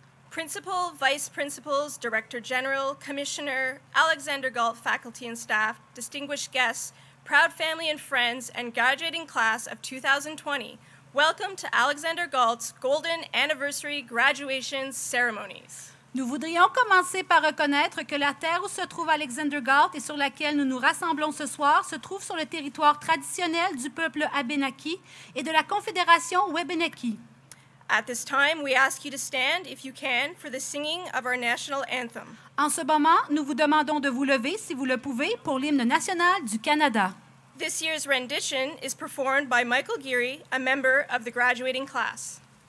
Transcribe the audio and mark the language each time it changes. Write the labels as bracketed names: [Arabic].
[English] Principal, Vice Principals, Director General, Commissioner, Alexander Galt faculty and staff, distinguished guests, proud family and friends, and graduating class of 2020, welcome to Alexander Galt's Golden Anniversary Graduation Ceremonies. [French] Nous voudrions commencer par reconnaître que la terre où se trouve Alexander Galt et sur laquelle nous nous rassemblons ce soir se trouve sur le territoire traditionnel du peuple Abenaki et de la Confédération Webenaki. [English] At this time, we ask you to stand, if you can, for the singing of our national anthem. [French] En ce moment, nous vous demandons de vous lever, si vous le pouvez, pour l'hymne national du Canada. [English] This year's rendition is performed by Michael Geary, a member of the graduating class.